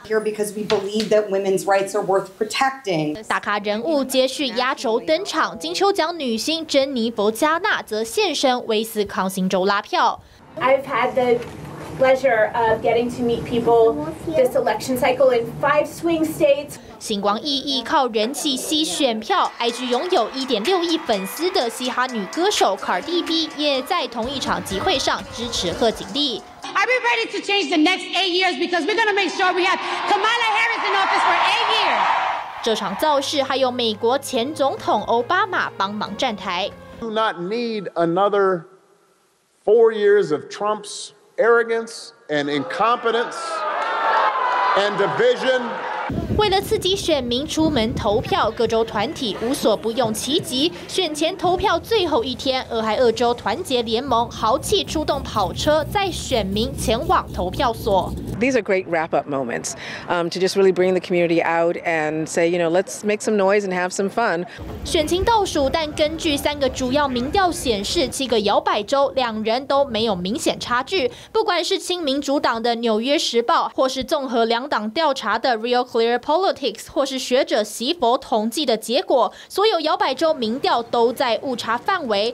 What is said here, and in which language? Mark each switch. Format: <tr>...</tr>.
<en>Here because we believe that women's rights are worth protecting。</en> <zh>大咖人物接续压轴登场，金球奖女星珍妮佛·加纳则现身威斯康星州拉票。</zh> <en>I've had the pleasure of getting to meet people this election cycle in 5 swing states.</en> <zh>星光熠熠，靠人气吸选票。 IG 拥有1.6亿粉丝的嘻哈女歌手 Cardi B 也在同一场集会上支持贺锦丽。</zh> <en>Are we ready to change the next 8 years? Because we're gonna make sure we have Kamala Harris in office for 8 years.</en> <zh>这场造势还有美国前总统奥巴马帮忙站台。</zh> <en>Do not need another 4 years of Trump's arrogance and incompetence and division.</en> <zh>为了刺激选民出门投票，各州团体无所不用其极。选前投票最后一天，俄亥俄州团结联盟豪气出动跑车，载选民前往投票所。</zh> <en>These are great wrap-up moments, to just really bring the community out and say, you know, let's make some noise and have some fun.</en> <zh>选情倒数，但根据3个主要民调显示，7个摇摆州两人都没有明显差距。不管是亲民主党的《纽约时报》，或是综合两党调查的 Real Clear Politics， 或是学者席佛统计的结果，所有摇摆州民调都在误差范围。</zh>